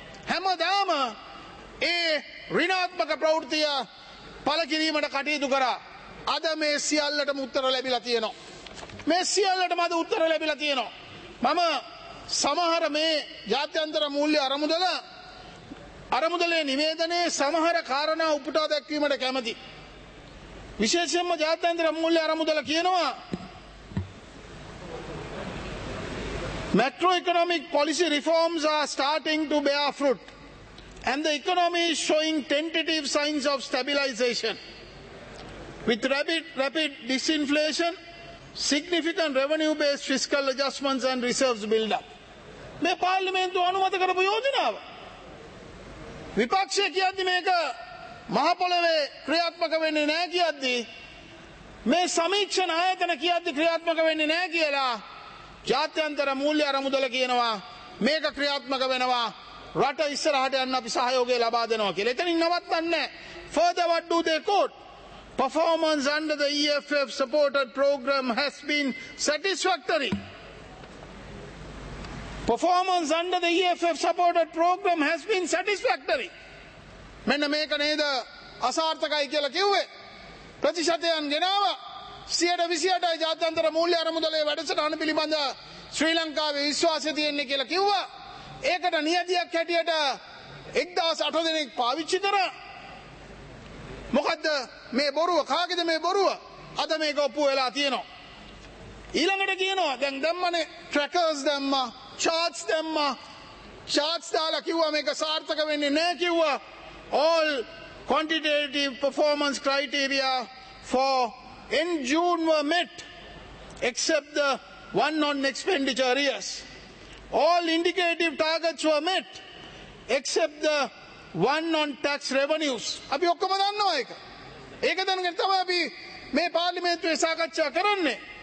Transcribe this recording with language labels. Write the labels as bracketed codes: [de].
[si] හැමදාම ඒ ඍණාත්මක ප්‍රවෘත්තිය පළ කිරීමට කටයුතු කරා. අද මේ සියල්ලටම උත්තර ලැබිලා තියෙනවා. මේ සියල්ලටම අද උත්තර ලැබිලා තියෙනවා. මම සමහර මේ ජාත්‍යන්තර මූල්‍ය අරමුදලේ නිවේදනයේ සමහර කාරණා උපුටා දැක්වීමට කැමති. විශේෂයෙන්ම ජාත්‍යන්තර මූල්‍ය අරමුදල කියනවා [en] macroeconomic policy reforms are starting to bear fruit and the economy is showing tentative signs of stabilization with rapid disinflation, significant revenue based fiscal adjustments and reserves build up. [si] මේ පාර්ලිමේන්තුව අනුමත කරපු යෝජනාව. විපක්ෂය කියද්දි මේක මහපොළවේ ක්‍රියාත්මක වෙන්නේ නැහැ කියද්දි, මේ සමීක්ෂණ ආයතන කියද්දි ක්‍රියාත්මක වෙන්නේ නැහැ කියලා ජාත්‍යන්තර මූල්‍ය අරමුදල කියනවා මේක ක්‍රියාත්මක වෙනවා, රට ඉස්සරහට යන්න අපි සහයෝගය ලබා දෙනවා කියලා. එතනින් නවත්තන්නේ නැහැ. [en] Further what do they quote? Performance under the EFF supported program has been satisfactory. Performance under the EFF supported program has been satisfactory. [si] මෙන්න මේක නේද අසාර්ථකයි කියලා කිව්වේ. ප්‍රතිශතයන් ගෙනාවා. 128% ජාත්‍යන්තර මූල්‍ය අරමුදලේ වැඩසටහන පිළිබඳ ශ්‍රී ලංකාවේ විශ්වාසය තියෙන්නේ කියලා කිව්වා. ඒකට නියතියක් හැටියට 1008 දෙනෙක් පාවිච්චි කරා. මොකද්ද මේ බොරුව? කාගේද මේ බොරුව? අද මේක ඔප්පු වෙලා තියෙනවා. ඊළඟට කියනවා දැන් දැම්මනේ ට්‍රැකර්ස් දැම්මා, චාර්ට්ස් දැම්මා. චාර්ට්ස් දාලා කිව්වා මේක සාර්ථක වෙන්නේ නැහැ කිව්වා. [en] All quantitative performance criteria for in June were met except the one on expenditure areas. All indicative targets were met except the one on tax revenues. [si] අපි ඔක්කොම දන්නවා ඒක. ඒක දැනගෙන තමයි අපි මේ පාර්ලිමේන්තුවේ සාකච්ඡා කරන්නේ.